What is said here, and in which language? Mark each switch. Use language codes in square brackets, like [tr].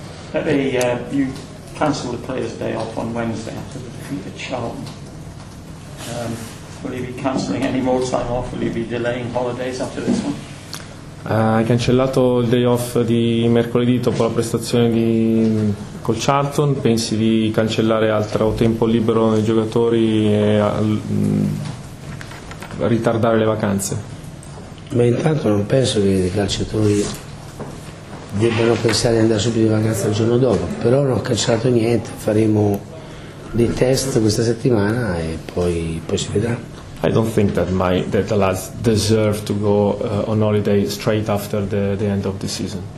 [en] Pepe, you cancelled the players' day off on Wednesday after the defeat at Charlton. Will you be cancelling any more time off? Will you be delaying holidays after this one? [it] Hai cancellato il day off di mercoledì dopo la prestazione col Charlton. Pensi di cancellare altro tempo libero nei giocatori e ritardare le vacanze? Ma intanto non penso che i calciatori debbano pensare di andare subito in vacanza il giorno dopo, però non ho cancellato niente, faremo dei test questa settimana e poi si vedrà. [en] I don't think that the lads deserve to go on holiday straight after the end of the season.